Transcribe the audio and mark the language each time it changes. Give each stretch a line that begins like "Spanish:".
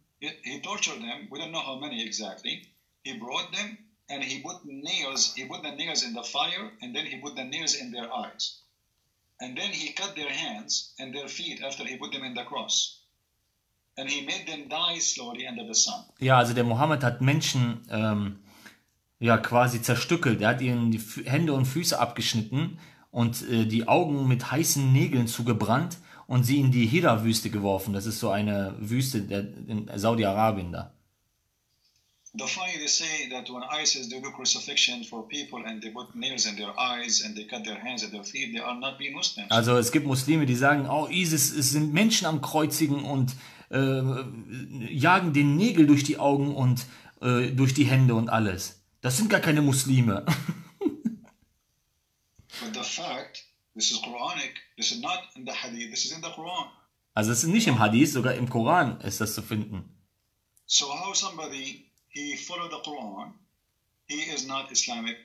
English: He tortured them, we don't know how many exactly. He brought them and he put the nails in the fire and then he put the nails in their eyes. And then he cut their hands and their feet after he put them in the cross. And he made them die slowly under the sun.
German: Ja, also der Mohammed hat Menschen quasi zerstückelt. Er hat ihnen die Hände und Füße abgeschnitten und die Augen mit heißen Nägeln zugebrannt. Und sie in die Hira-Wüste geworfen. Das ist so eine Wüste in Saudi-Arabien da.
English: The funny they say that when ISIS they do crucifixion for people and they put nails in their eyes and they cut their hands and their feet, they are not being Muslims.
German: Also es gibt Muslime, die sagen, oh ISIS, es sind Menschen am Kreuzigen und jagen den Nägel durch die Augen und durch die Hände und alles. Das sind gar keine Muslime.
English: But the fact, this is Quranic. This is not in the Hadith. This is in the Quran.
German: Also es ist nicht im Hadith, sogar im Koran ist das zu finden.
English: So how somebody he followed the Quran, he is not Islamic.